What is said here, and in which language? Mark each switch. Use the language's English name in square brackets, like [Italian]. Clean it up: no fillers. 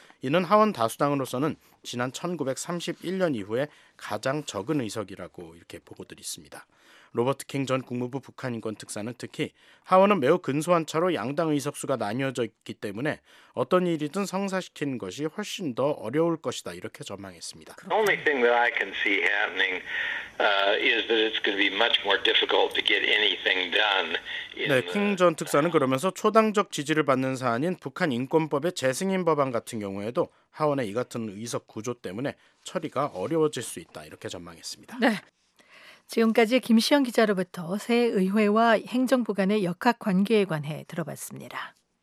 [Korean] 이는 하원 다수당으로서는 지난 1931년 이후에 가장 적은 의석이라고 이렇게 보고들 있습니다. 로버트 킹 전 국무부 북한인권특사는 특히 하원은 매우 근소한 차로 양당 의석수가 나뉘어져 있기 때문에 어떤 일이든 성사시키는 것이 훨씬 더 어려울 것이다 이렇게 전망했습니다. [English] The only thing that I can see happening is that it's going to be much more difficult to get anything done. [Korean] 네, 킹 전 특사는 그러면서 초당적 지지를 받는 사안인 북한 인권법의 재승인 법안 같은 경우에도 하원의 이 같은 의석 구조 때문에 처리가 어려워질 수 있다 이렇게 전망했습니다. 네. 지금까지 김시영 기자로부터 새 의회와 행정부 간의 역학 관계에 관해 들어봤습니다.